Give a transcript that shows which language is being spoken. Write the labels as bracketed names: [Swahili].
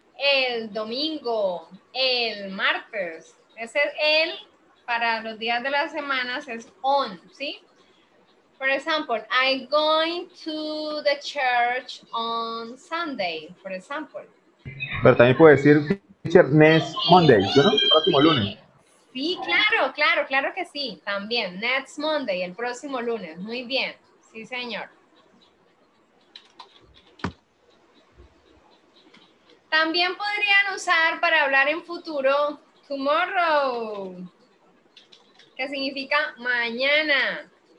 [Spanish] El domingo, el martes, ese es el para los días de las semanas, es on, ¿sí? [English] For example, I'm going to the church on Sunday, for example. [Spanish] Pero también puede decir [English] teacher next Monday, [Spanish] ¿no? El próximo lunes. Sí, claro que sí, también, [English] next Monday, [Spanish] el próximo lunes, muy bien, sí señor. También podrían usar para hablar en futuro, tomorrow, que significa mañana.